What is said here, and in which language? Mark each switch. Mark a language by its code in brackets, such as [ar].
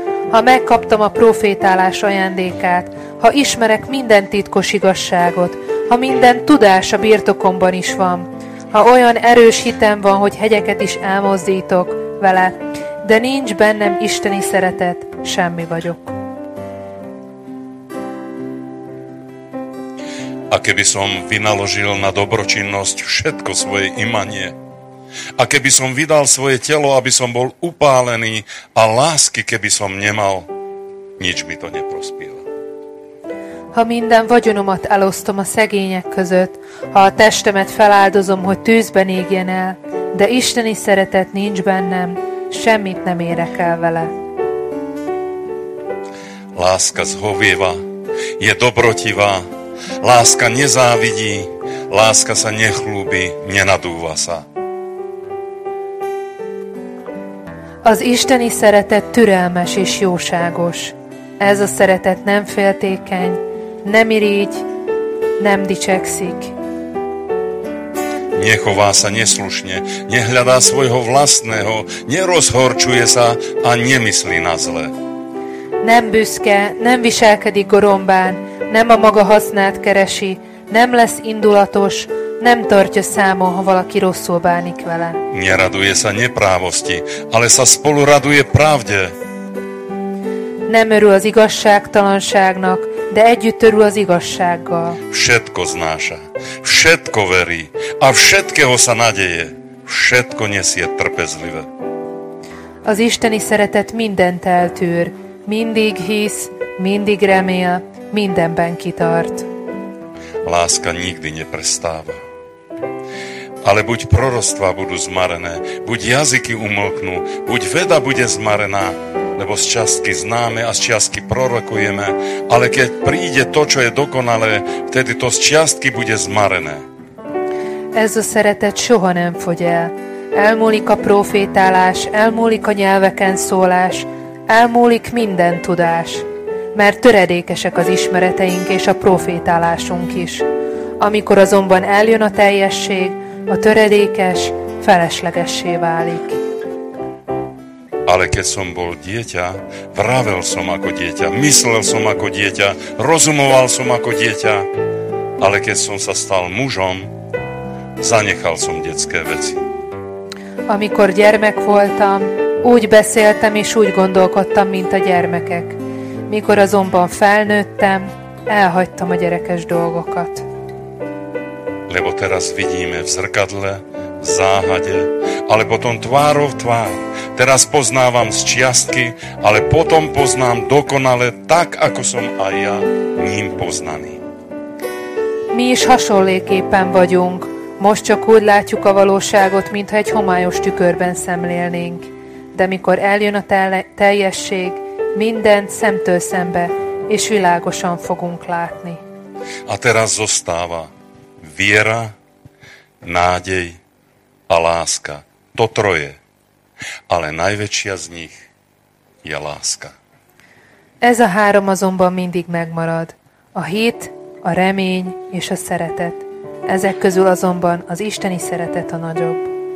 [hu] Ha megkaptam a prófétálás ajándékát, ha ismerek minden titkos igazságot, ha minden tudás a birtokomban is van, ha olyan erős hitem van, hogy hegyeket is elmozdítok vele, de nincs bennem isteni szeretet, semmi vagyok. [sk] A keby som vynaložil na dobročinnosť všetko svoje imanie, a keby som vydal svoje telo, aby som bol upálený, a lásky keby som nemal, nič mi to neprospiel. [hu] Ha minden vagyonomat elosztom a szegények között, ha a testemet feláldozom, hogy tűzben égjen el, de isteni szeretet nincs bennem, semmit nem érek el vele. [sk] Láska zhovieva, je dobrotivá, láska nezávidí, láska sa nechlúbi, nenadúva sa. [hu] Az isteni szeretet türelmes és jóságos. Ez a szeretet nem féltékeny, nem irígy, nem dicsekszik. [sk] Nechová sa neslušne, nehľadá svojho vlastného, nerozhorčuje sa a nemyslí na zle. [hu] Nem büszke, nem viselkedik gorombán, nem a maga hasznát keresi, nem lesz indulatos, nem tartja számon, ha valaki rosszul bánik vele. [sk] Neraduje sa neprávosti, ale sa spolu raduje pravde. [hu] Nem örül az igazságtalanságnak, de együtt örül az igazsággal. [sk] Všetko znáša, všetko verí, a všetkého sa nadeje, všetko nesie trpezlivé. [hu] Az isteni szeretet mindent eltűr, mindig hisz, mindig remél, mindenben kitart. [sk] Láska nikdy neprestáva. Ale buď proroctvá budú zmarené, buď jazyky umlknú, buď veda bude zmarená, lebo z častky známe a z častky prorokujeme, ale keď príde to, čo je dokonalé, vtedy to z častky bude zmarené. [hu] Ez a szeretet soha nem fogy el. Elmúlik a prófétálás, elmúlik a nyelveken szólás, elmúlik minden tudás. Mert töredékesek az ismereteink és a prófétálásunk is. Amikor azonban eljön a teljesség, a töredékes feleslegessé válik. [sk] Ale keď som bol dieťa, vravel som ako dieťa, myslel som ako dieťa, rozumoval som ako dieťa, ale keď som sa stal mužom, zanechal som detské veci. [hu] Amikor gyermek voltam, úgy beszéltem és úgy gondolkodtam, mint a gyermekek. Mikor azonban felnőttem, elhagytam a gyerekes dolgokat. [sk] Lebo teraz vidíme v zrkadle, v záhade, ale potom tvárov tvár. Teraz poznávam z čiastky, ale potom poznám dokonale tak, ako som aj ja ním poznaný. [hu] Mi is hasonléképpen vagyunk. Most csak úgy látjuk a valóságot, mintha egy homályos tükörben szemlélnénk. De mikor eljön a teljesség, mindent szemtől szembe, és világosan fogunk látni. [sk] A teraz zostáva viera, nádej a láska. To troje. Ale najväčšia z nich je láska. [hu] Ez a három azonban mindig megmarad. A hit, a remény és a szeretet. Ezek közül azonban az isteni szeretet a nagyobb.